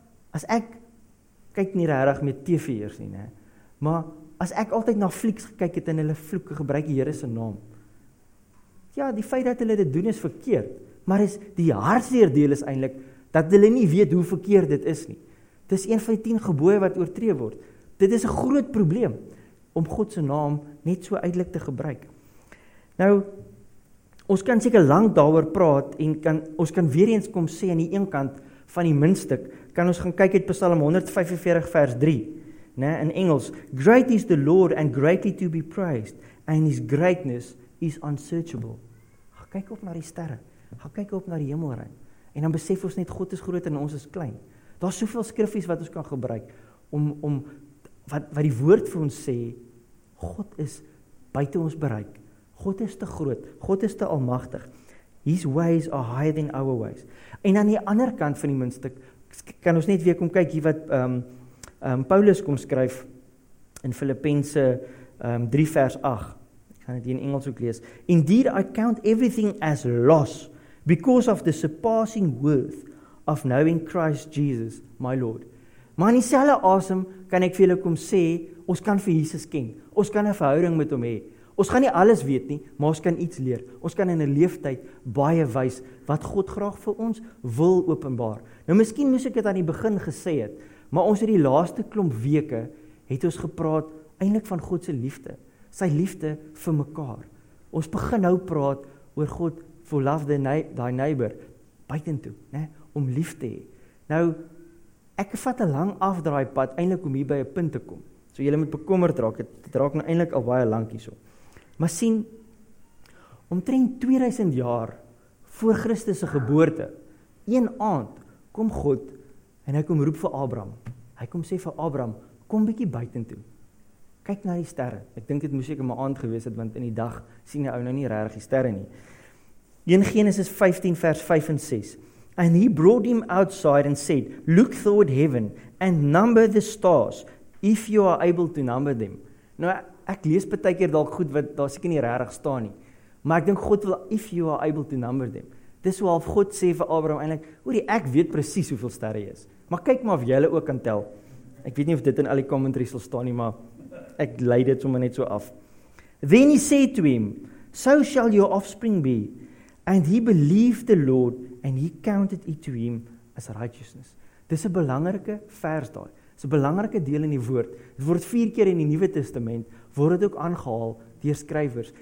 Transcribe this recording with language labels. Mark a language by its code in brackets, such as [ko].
[af] As ek kyk nie regtig met TV eers nie, ne, maar as ek altyd na flieks gekyk het en hulle vloeke gebruik die Here se naam. Ja, die feit dat hulle dit doen is verkeerd, maar is die hartseer deel is eintlik dat hulle nie weet hoe verkeerd dit is nie. Dis een van die 10 gebooie wat oortree word. Dit is 'n groot probleem om God se naam net so uitelik te gebruik. Nou, ons kan seker lank daaroor praat en kan ons kan weer eens kom sê aan die een kant van die muntstuk kan ons gaan kyk uit Psalm 145 vers 3, né, in Engels. [en] Great is the Lord and greatly to be praised and his greatness is unsearchable. [af] Ga kyk op na die sterre. Ga kyk op na die hemelruim. En dan besef ons net God is groot en ons is klein. Daar's soveel skriffies wat ons kan gebruik om wat die woord vir ons sê, God is buite ons bereik. God is te groot. God is te almagtig. [en] His ways are higher than our ways. [af] En aan die ander kant van die muntstuk kan ons net weer kom kyk hier wat Paulus kom skryf in Filippense 3 vers 8. Ek gaan dit in Engels ook lees. [en] Indeed, I count everything as loss because of the surpassing worth of knowing Christ Jesus, my Lord. [af] Maar in dieselfde asem kan ek vir julle kom sê, ons kan vir Jesus ken. Ons kan 'n verhouding met hom hê. Ons gaan nie alles weet nie, maar ons kan iets leer. Ons kan in 'n leeftyd baie wys wat God graag vir ons wil openbaar. Nou, miskien moes ek dit aan die begin gesê het, maar ons het die laaste klomp weke het ons gepraat eintlik van God se liefde. Sy liefde vir mekaar. Ons begin nou praat oor God [en] for love thy neighbor [af] buitentoe, né, om lief te hê. Nou ek vat 'n lang afdraai pad eintlik om hier by 'n punt te kom. So jy moet bekommerd raak, dit raak nou eintlik al baie lank hierso. Maar sien, omtrent 2000 jaar voor Christus se geboorte, een aand kom God en hy kom roep vir Abraham. Hy kom sê vir Abraham, kom bietjie buitentoe. Kyk na die sterre. Ek dink dit moes seker my aand gewees het, want in die dag sien jy ou nou nie regtig die sterre nie. In Genesis 15 vers 5 en 6. [en] And he brought him outside and said, look toward heaven and number the stars, if you are able to number them. [af] Nou, ek lees baie keer dalk goed wat daar seker nie regtig staan nie. Maar ek dink God wil, [en] if you are able to number them. [af] Dis hoe half God sê vir Abraham eintlik, hoorie, ek weet presies hoeveel sterre jy is. Maar kyk maar of jy hulle ook kan tel. Ek weet nie of dit in al die commentaries sal staan nie, maar ek lei dit sommer net so af. [en] Then he said to him, so shall your offspring be. And he believed the Lord, and he counted it to him as righteousness. [af] Dis 'n belangrike vers daar. Dis 'n belangrike deel in die woord. Dit word 4 keer in die Nuwe Testament, word dit ook aangehaal deur skrywers.